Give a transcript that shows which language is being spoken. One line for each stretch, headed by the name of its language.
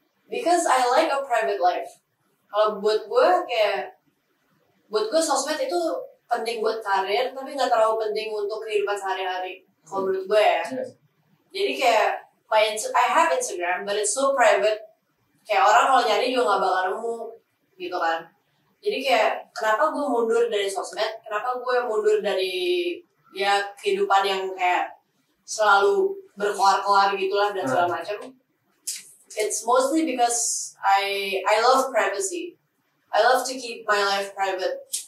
English: Because I like a private life.
Indonesian: Kalau buat gue sosmed itu penting buat karir tapi nggak terlalu penting untuk kehidupan sehari-hari kalau menurut gue ya. Jadi kayak
English: I have Instagram but it's so private.
Indonesian: Kayak orang kalau nyari juga nggak bakal nemu gitu kan. Jadi kayak kenapa gue mundur dari sosmed, kenapa gue mundur dari ya kehidupan yang kayak selalu berkoar-koar gitulah dan segala macam.
English: It's mostly because I love privacy. I love to keep my life private.